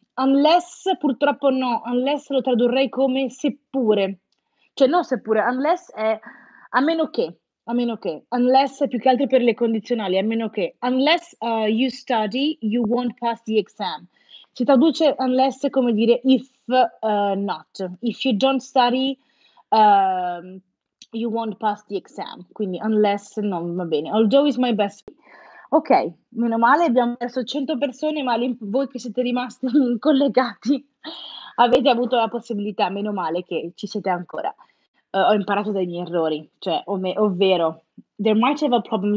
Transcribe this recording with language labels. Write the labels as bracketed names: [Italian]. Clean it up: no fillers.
[Italian] Unless purtroppo no, unless lo tradurrei come seppure, cioè no seppure, unless è a meno che, unless più che altro per le condizionali, a meno che, unless you study, you won't pass the exam. Si traduce unless come dire if not. [English] If you don't study, you won't pass the exam. [Italian] Quindi, unless non va bene. Although is my best. Ok, meno male, abbiamo perso 100 persone, ma voi che siete rimasti collegati avete avuto la possibilità, meno male che ci siete ancora. Ho imparato dai miei errori, cioè, ovvero, there might have a problem.